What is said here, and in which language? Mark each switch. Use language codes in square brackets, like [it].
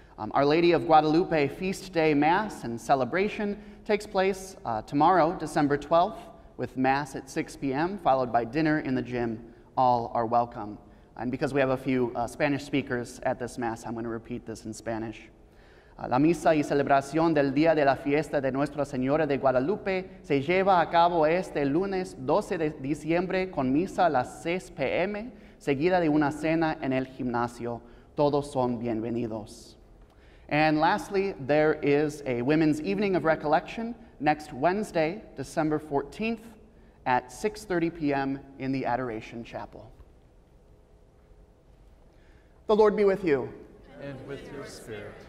[en] Our Lady of Guadalupe Feast Day Mass and celebration takes place tomorrow, December 12th, with Mass at 6 p.m., followed by dinner in the gym. All are welcome. And because we have a few Spanish speakers at this Mass, I'm going to repeat this in Spanish. [es] La misa y celebración del día de la fiesta de Nuestra Señora de Guadalupe se lleva a cabo este lunes 12 de diciembre con misa a las 6 p.m., seguida de una cena en el gimnasio. Todos son bienvenidos. [en] And lastly, there is a Women's Evening of Recollection next Wednesday, December 14th at 6:30 p.m. in the Adoration Chapel. The Lord be with you. And with your spirit.